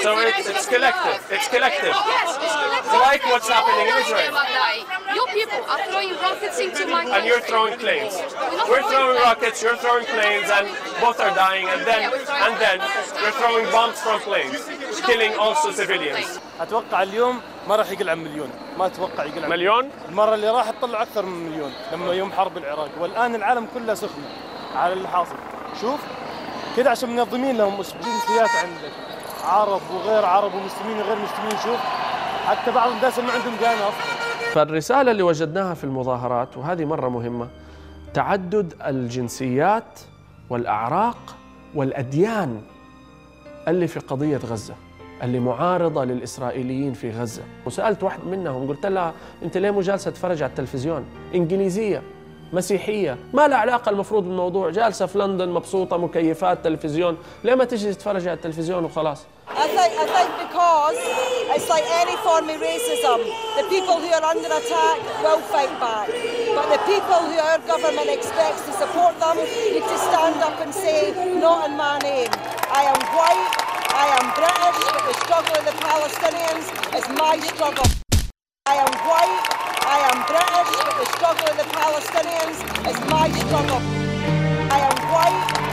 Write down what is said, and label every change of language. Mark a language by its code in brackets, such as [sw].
[en] So it's collective. It's collective. Yes, it's collective. Like what's happening in Israel. Your people are throwing rockets into my And you're throwing planes. We're throwing rockets, you're throwing planes, and both are dying. And then you're throwing bombs from planes, killing also civilians. [ar] أتوقع اليوم ما راح يقل عن مليون، ما أتوقع يقل عن مليون؟ المرة اللي راح تطلع أكثر من مليون، لما يوم حرب العراق، والآن العالم كله سخن على اللي حاصل. شوف كده عشان منظمين لهم مسجدين سياسة عندك عرب وغير عرب ومسلمين وغير مسلمين شوف حتى بعض الناس ما عندهم قانا أصلا فالرسالة اللي وجدناها في المظاهرات وهذه مرة مهمة تعدد الجنسيات والأعراق والأديان اللي في قضية غزة اللي معارضة للإسرائيليين في غزة وسألت واحد منهم قلت لها أنت ليه مجالسة تفرج على التلفزيون إنجليزية مسيحية ما لها علاقة المفروض بالموضوع جالسة في لندن مبسوطة مكيفات تلفزيون ليه ما تجي تتفرج على التلفزيون وخلاص [en] I think because it's like any form of racism the people who are under attack will fight back but the people who our government expects to support them need to stand up and say not in my name I am white I am British but the struggle of the Palestinians is my struggle I am white I am British, but the struggle of the Palestinians is my struggle. I am white.